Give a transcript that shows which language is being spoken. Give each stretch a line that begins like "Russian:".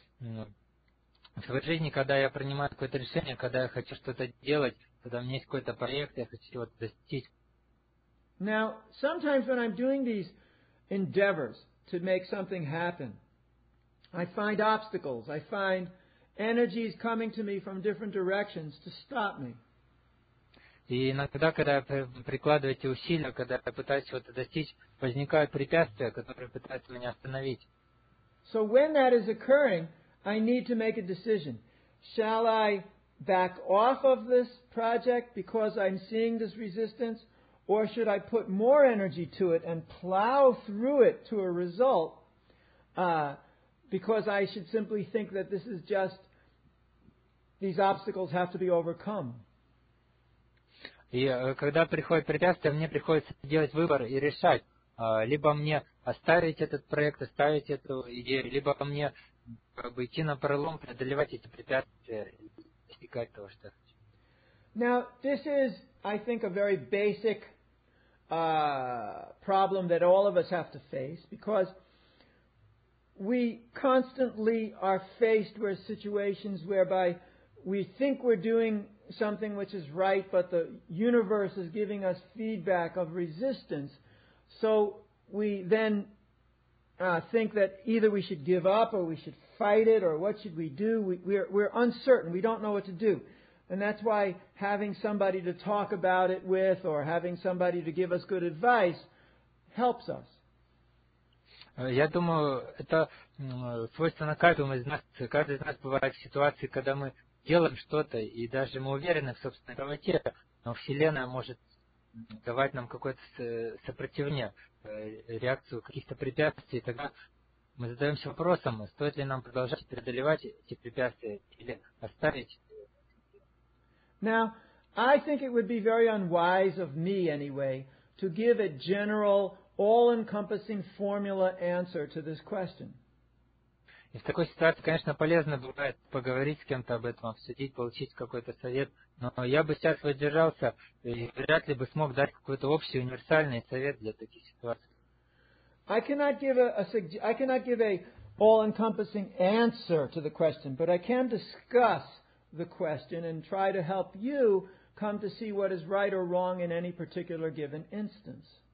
Russian: В своей жизни, когда я принимаю какое-то решение, когда я хочу что-то делать, когда у меня есть какой-то проект, я хочу его достичь.
English: Now, sometimes when I'm doing these endeavors to make something happen, I find obstacles, I find energies coming to me from different directions to stop me.
Russian: И иногда, когда я прикладываю эти усилия, когда я пытаюсь чего-то достичь, возникают препятствия, которые пытаются меня остановить.
English: So when that is occurring, I need to make a decision. Shall I back off of this project because I'm seeing this resistance, or should I put more energy to it and plow through it to a result because I should simply think that this is just these obstacles have to be overcome?
Russian: И когда приходит препятствие, мне приходится делать выбор и решать. Либо мне оставить этот проект, оставить эту идею, либо мне как бы идти на пролом, преодолевать эти препятствия, достигать того, что я хочу.
English: Now, this is, I think, a very basic problem that all of us have to face, because we constantly are faced with situations whereby we think we're doing something which is right, but the universe is giving us feedback of resistance. So we then think that either we should give up or we should fight it or what should we do. We're uncertain. We don't know what to do. And that's why having somebody to talk about it with or having somebody to give us good advice helps us.
Russian: Я думаю, это свойственно каждому из нас. Каждый из нас бывает в ситуации, когда мы делаем что-то и даже мы уверены в собственной правоте, но Вселенная может давать нам какое-то сопротивление, реакцию каких-то препятствий, тогда мы задаемся вопросом, стоит ли нам продолжать преодолевать эти препятствия или оставить.
English: Now, I think it would be very unwise of me anyway to give a general, all-encompassing formula answer to this question.
Russian: И в такой ситуации, конечно, полезно бывает поговорить с кем-то об этом, обсудить, получить какой-то совет. Но я бы сейчас воздержался и вряд ли бы смог дать какой-то общий универсальный совет для таких ситуаций.
English: I cannot give a all-encompassing answer to the question, but I can discuss the question and try to help you come to see what is right or wrong in any particular given instance.